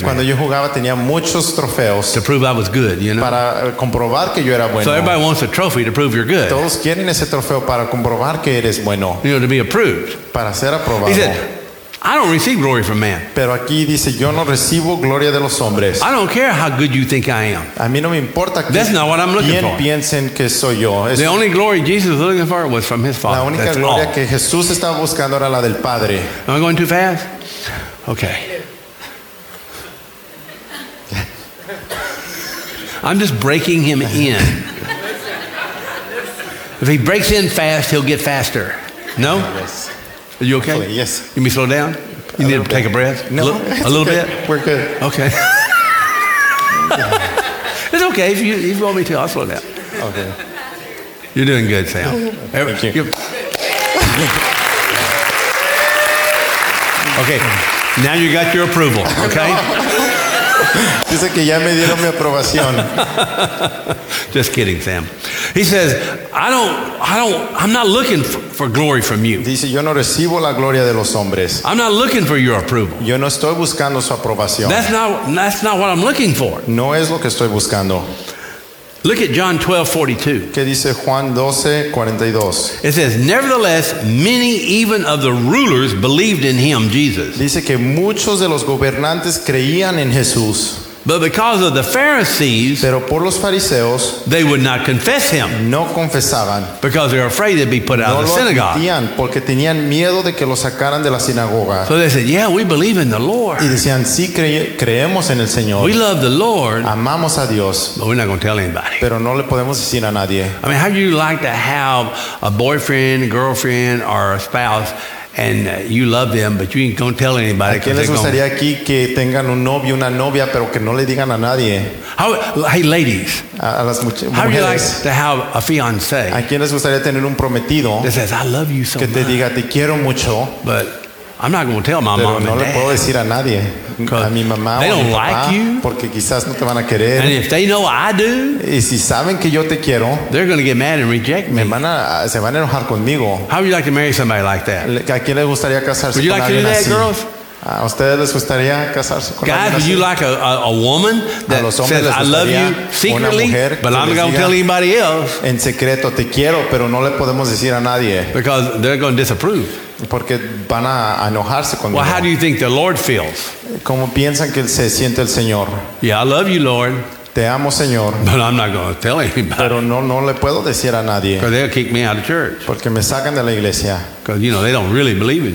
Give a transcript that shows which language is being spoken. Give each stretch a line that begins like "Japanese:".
Spanish: Yo cuando yo jugaba tenía muchos trofeos.
English: To prove I was good, you know.
Spanish: Para comprobar que yo era bueno.
English: So everybody wants a trophy to prove you're good.
Spanish: Todos quieren ese trofeo para comprobar que eres bueno.
English: You know, to be approved.
Spanish: Para ser aprobado.
English: He said, I don't receive glory from man.
Spanish: Pero aquí dice, yo no recibo gloria de los hombres.
English: I don't care how good you think I am.
Spanish: A mí no me importa que
English: that's not what I'm looking
Spanish: bien
English: for.
Spanish: Piensen que soy yo.
English: The only glory Jesus was looking for was from his Father.
Spanish: La única
English: that's
Spanish: gloria
English: all.
Spanish: Que Jesús estaba buscando era la del Padre.
English: Am I going too fast? Okay. I'm just breaking him in. If he breaks in fast, he'll get faster. No? Yes. Are you okay? Yes. You need me to slow down? You need to take a breath? No. A little bit? We're good. Okay. It's okay. If you want me to, I'll slow down. Okay. You're doing good, Sam. Thank you. Okay. Now you got your approval, okay?
Spanish: Dice que ya me dieron mi aprobación.
English: Just kidding, Sam. He says, I'm not looking for glory from you.
Spanish: Dice, yo no recibo la gloria de los hombres.
English: I'm not looking for your approval.
Spanish: Yo no estoy buscando su aprobación.
English: That's not what I'm looking for.
Spanish: No es lo que estoy buscando.
English: Look at John 12:42.
Spanish: ¿Qué dice Juan 12:42?
English: It says, nevertheless, many even of the rulers believed in him, Jesus.
Spanish: Dice que muchos de los gobernantes creían en Jesús.
English: But because of the Pharisees,
Spanish: pero por los fariseos,
English: they would not confess him.
Spanish: No confesaban.
English: Because they were afraid they'd be put out
Spanish: no
English: of the synagogue.
Spanish: Admitían porque tenían miedo de que lo sacaran de la sinagoga.
English: So they said, yeah, we believe in the Lord.
Spanish: Y decían, sí, creemos en el Señor.
English: We love the Lord.
Spanish: Amamos a Dios.
English: But we're not going to tell anybody.
Spanish: Pero no le podemos decir a nadie.
English: I mean, how do you like to have a boyfriend, girlfriend, or a spouse, and you love them, but you ain't gonna tell anybody?
Spanish: ¿A quién les gustaría aquí que tengan un novio, una novia, pero que no le digan a nadie?
English: Hey, ladies.
Spanish: A las mujeres.
English: How would you like to have a fiancé?
Spanish: ¿A quién les gustaría tener un prometido?
English: That says, I love you so much.
Spanish: Que te diga, te quiero mucho.
English: But I'm not gonna tell my mom and dad.
Spanish: Pero no le puedo decir a nadie. A mi mamá o a mi papá.
English: They don't like you.
Spanish: Porque quizás no te van a querer.
English: And if they know I do,
Spanish: y si saben que yo te quiero,
English: they're gonna get mad and reject me.
Spanish: Se van a enojar conmigo.
English: How would you like to marry somebody like that?
Spanish: ¿A quién les gustaría casarse con alguien así?
English: Would you like to do that, girls?
Spanish: ¿A ustedes les gustaría casarse con
English: guys, would you like a woman that says, I love you secretly, but I'm not going to tell anybody else?
Spanish: En secreto, te quiero, pero no le podemos decir a nadie.
English: Because they're going to disapprove.
Spanish: Porque van a enojarse conmigo.
English: Well, how do you think the Lord feels?
Spanish: ¿Cómo piensan que se siente el Señor?
English: Yeah, I love you, Lord.
Spanish: Te amo, Señor.
English: But I'm not going to tell anybody.
Spanish: Pero no le puedo decir a nadie.
English: Because they'll kick me out of church.
Spanish: Porque me sacan de la iglesia.
English: Because you know they don't really believe in you.